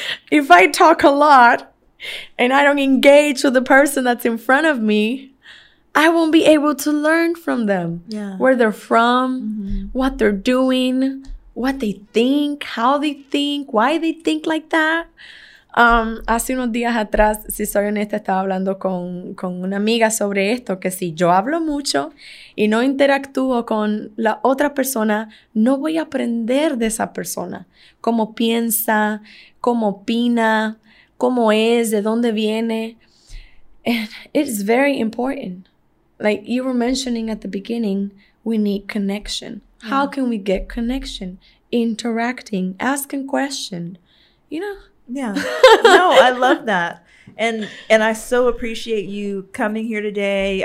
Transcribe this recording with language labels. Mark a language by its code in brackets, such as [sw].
[en] If I talk a lot and I don't engage with the person that's in front of me, I won't be able to learn from them. Yeah. Where they're from, mm-hmm. what they're doing, what they think, how they think, why they think like that. [es] Hace unos días atrás, si soy honesta, estaba hablando con una amiga sobre esto, que si yo hablo mucho y no interactúo con la otra persona, no voy a aprender de esa persona. Cómo piensa, cómo opina, cómo es, de dónde viene. [en] And it's very important. Like you were mentioning at the beginning, we need connection. Yeah. How can we get connection? interacting, asking questions, you know? Yeah. No, I love that. And I so appreciate you coming here today.